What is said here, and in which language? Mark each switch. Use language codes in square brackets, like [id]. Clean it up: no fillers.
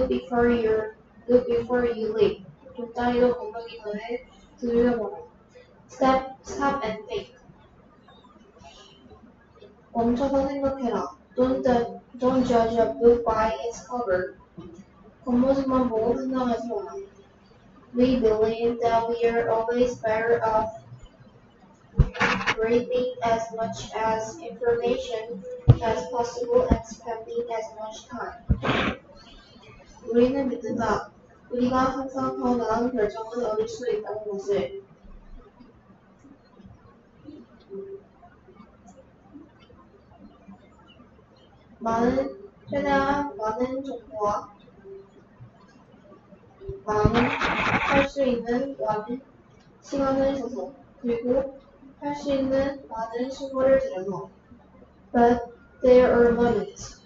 [en] Look before you leap. [ko] 돗자리도 건너기 전에 두려워라. [en] Stop and think. [ko] 멈춰서 생각해라. [en] Don't judge a book by its cover. [ko] 겉모습만 보고 판단하지 마라. [en] We believe that we are always better off reading as much as information as possible and spending as much time. [ko] 우리는 믿는다. 우리가 항상 더 나은 결정을 얻을 수 있다는 것을. 최대한 많은 정보와 마음은 할 수 있는 많은 시간을 써서 그리고 할 수 있는 많은 수고를 들여서 [en] But there are limits.